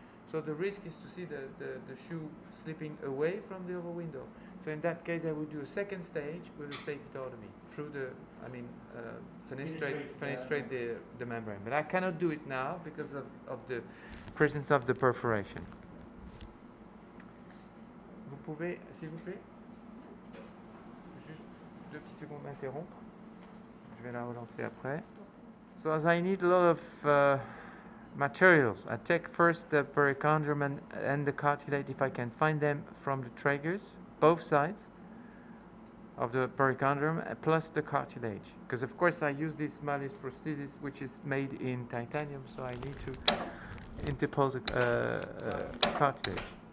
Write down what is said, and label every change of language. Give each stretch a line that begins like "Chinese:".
English: So the risk is to see the shoe slipping away from the other window. So in that case, I would do a second stage with a stapedotomy through the, fenestrate the membrane. But I cannot do it now because of the presence of the perforation.
French: Vous pouvez, s'il vous plaît, juste deux petites secondes m'interrompre. Je vais la relancer après.
English: So as I need a lot of materials, I take first the perichondrium and the cartilage if I can find them from the tragus, both sides of the perichondrium plus the cartilage. Because of course I use this malleus prosthesis which is made in titanium, so I need to interpose a cartilage.